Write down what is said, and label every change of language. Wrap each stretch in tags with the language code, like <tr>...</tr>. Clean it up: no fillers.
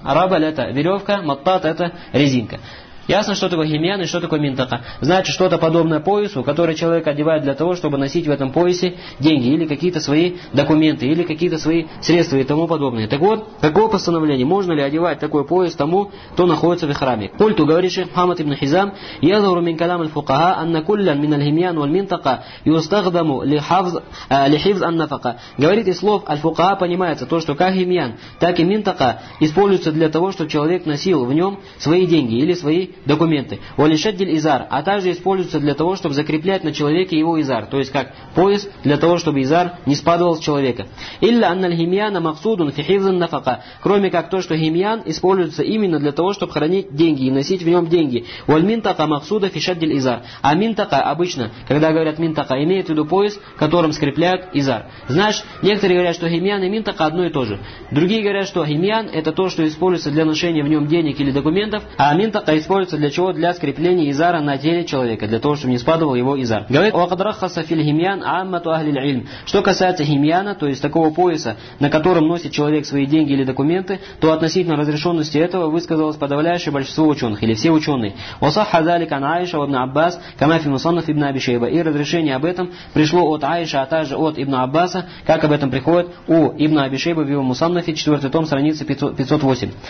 <ru>Рабль — это веревка, маттат — это резинка. Ясно, что такое химьян и что такое минтака. Значит, что-то подобное поясу, которое человек одевает для того, чтобы носить в этом поясе деньги, или какие-то свои документы, или какие-то свои средства и тому подобное. Так вот, какое постановление? Можно ли одевать такой пояс тому, кто находится в храме? Культу говорит шейх Мухаммад ибн Хизам,</ru> <ar>يظهر من كلام الفقهاء أن كلا من الهميان والمنطقة يستخدم لحفظ النفقة.</ar> <ru>Говорит, из слов аль-фукаха понимается то, что как химьян, так и минтака используется для того, чтобы человек носил в нем свои деньги или свои документы.</ru> <ar>Валишаддиль изар,</ar> <ru>а также используется для того, чтобы закреплять на человеке его изар, то есть как пояс для того, чтобы изар не спадывал с человека.</ru> <ar>Илля анналь химьяна максудун фи хифзин нафака.</ar> <ru>Кроме как то, что химьян используется именно для того, чтобы хранить деньги и носить в нем деньги.</ru> <ar>Валь минтака максуда фи шаддиль изар.</ar> <ru>А минтака обычно, когда говорят минтака, имеют в виду пояс, которым скрепляют изар. Значит, некоторые говорят, что химьян и минтака одно и то же. Другие говорят, что химьян — это то, что используется для ношения в нем денег или документов, а минтака используется для чего? Для скрепления изара на теле человека, для того, чтобы не спадывал его изар.</ru> <ar>Говорит, وَقَدْ رَخَّصَ فِي الْهِمْيَانَ عَمَّةُ أَهْلِ الْعِلْمِ.</ar> <ru>Что касается химьяна, то есть такого пояса, на котором носит человек свои деньги или документы, то относительно разрешенности этого высказалось подавляющее большинство ученых, или все ученые.</ru> <ar>وَصَحَّ ذَلِكَ عَنْ عَائِشَ وَابْنَ عَبَّاسٍ كَمَا فِي مُصَنَّفِ ابْنِ أَبِي شَيْبَةٍ.</ar> <ru>И разрешение об этом пришло от Аиши, а также от Ибн Аббаса, как об этом приходит у Ибн Аби Шейбы в его Мусаннафе, 4 том, страница 508.</ru>